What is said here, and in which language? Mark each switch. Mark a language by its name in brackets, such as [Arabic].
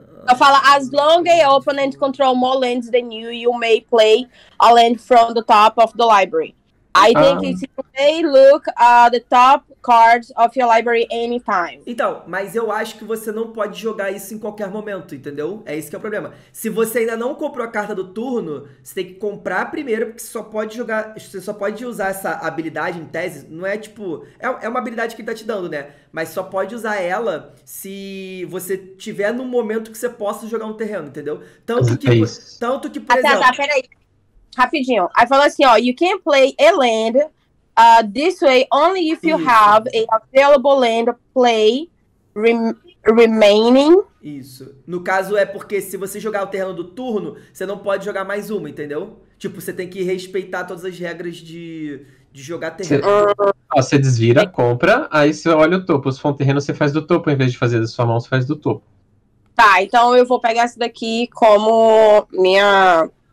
[Portuguese] Ela fala, [English] as long as your opponent control more lands than you, you may play a land from the top of the library. I think it's you may look at the top cards of your library anytime. [Portuguese] Então, mas eu acho que você não pode jogar isso em qualquer momento, entendeu? É isso que é o problema. Se você ainda não comprou a carta do turno, você tem que comprar primeiro, porque você só pode usar essa habilidade em tese, não é tipo... É uma habilidade que ele tá te dando, né? Mas só pode usar ela se você tiver no momento que você possa jogar um terreno, entendeu? Tanto que, por exemplo... Tá, peraí. Rapidinho. Aí fala assim, ó, [English] you can play a land this way only if you have a available land play remaining. [Portuguese] Isso. No caso é porque se você jogar o terreno do turno, você não pode jogar mais uma, entendeu? Tipo, você tem que respeitar todas as regras de jogar terreno. Você desvira, compra, aí você olha o topo. Se for um terreno, você faz do topo. Em vez de fazer da sua mão, você faz do topo. Tá, então eu vou pegar essa daqui como minha...